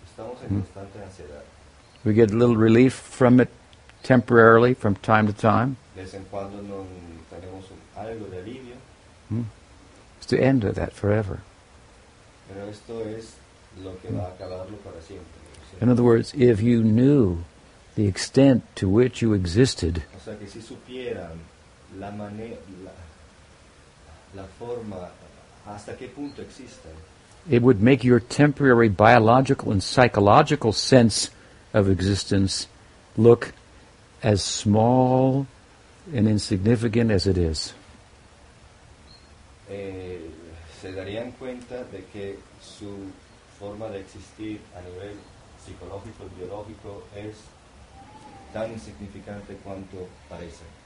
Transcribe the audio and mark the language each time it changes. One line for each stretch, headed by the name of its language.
Spanish: Estamos en constante ansiedad.
English: We get a little relief from it temporarily, from time to time.
Spanish: De vez en cuando no tenemos algo de alivio.
English: It's the end of that forever.
Spanish: Pero esto es lo que va a acabarlo para siempre.
English: In other words, if you knew the extent to which you existed,
Spanish: o sea, que si supieran la manera, la forma hasta qué punto existen,
English: it would make your temporary biological and psychological sense of existence look as small and insignificant as it is.
Spanish: Se darían cuenta de que su forma de existir a nivel psicológico, biológico, es tan insignificante cuanto parece.